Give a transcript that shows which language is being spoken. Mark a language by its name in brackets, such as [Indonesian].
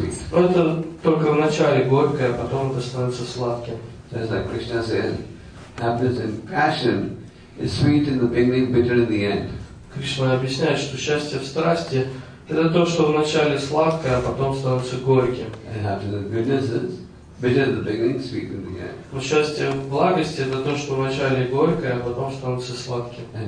[Russian] Но это только в начале горькое, а потом это становится сладким. [English] Just like Krishna said, happiness and passion is sweet in the beginning, bitter in the end. [Russian] Кришна объясняет, что счастье в страсти это то, что в начале сладкое, а потом становится горьким. [English] And after the goodness is bitter in the beginning, sweet in the end. [Russian] Но счастье в благости это то, что вначале горькое, а потом становится сладким.